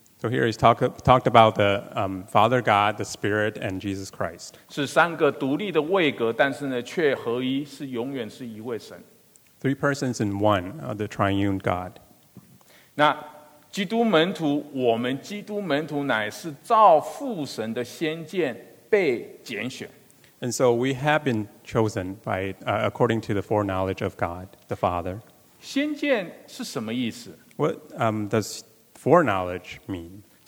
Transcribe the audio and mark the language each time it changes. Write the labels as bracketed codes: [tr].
[en] So here he's talked about the Father God, the Spirit, and Jesus Christ. [zh] 是三个独立的位格，但是呢，却合一，是永远是一位神。 [en] Three persons in one, the triune God. [zh] 那基督门徒，我们基督门徒乃是照父神的先见被拣选。 [en] And so we have been chosen by according to the foreknowledge of God, the Father. [zh] 先见是什么意思? [en] What does foreknowledge mean?